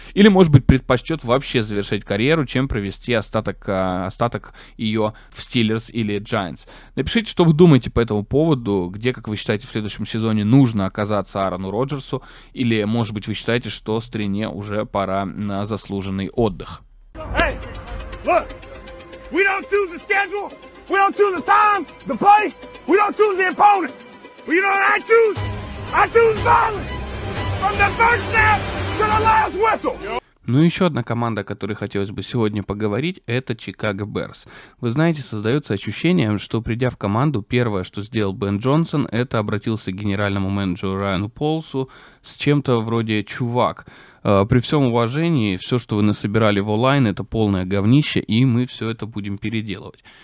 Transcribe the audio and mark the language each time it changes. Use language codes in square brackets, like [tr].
[ru] Или, может быть, предпочтет вообще завершить карьеру, чем провести остаток ее в Steelers или Giants. Напишите, что вы думаете по этому поводу, где, как вы считаете, в следующем сезоне нужно оказаться Аарону Роджерсу, или, может быть, вы считаете, что стране уже пора на заслуженный отдых. [en] Look, we don't choose the schedule, we don't choose the time, the place, we don't choose the opponent. But you know what I choose? I choose violence. From the first snap to the last whistle. [ru] Ну и еще одна команда, о которой хотелось бы сегодня поговорить, это Chicago Bears. Вы знаете, создается ощущение, что придя в команду, первое, что сделал Бен Джонсон, это обратился к генеральному менеджеру Райану Полсу с чем-то вроде «чувак». При всем уважении, все, что вы насобирали в онлайн, это полное говнище, и мы все это будем переделывать.